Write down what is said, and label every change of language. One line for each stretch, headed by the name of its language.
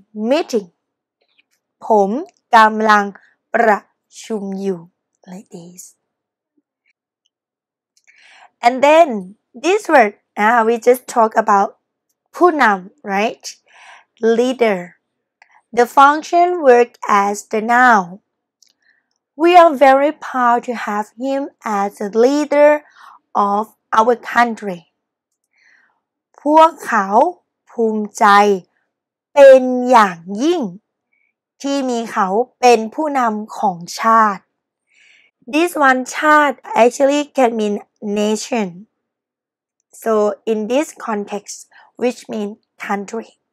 Thai: Meeting. ผมกำลังประชุมอยู่
English: like this. And then this word, we just talk about punam, right? Leader. The function works as the noun. We are very proud to have him as the leader of our country.
Thai: พวกเขาภูมิใจเป็นอย่างยิ่งที่มีเขาเป็นผู้นำของชาติ
English: This one, chart actually can mean nation. So in this context, which means country.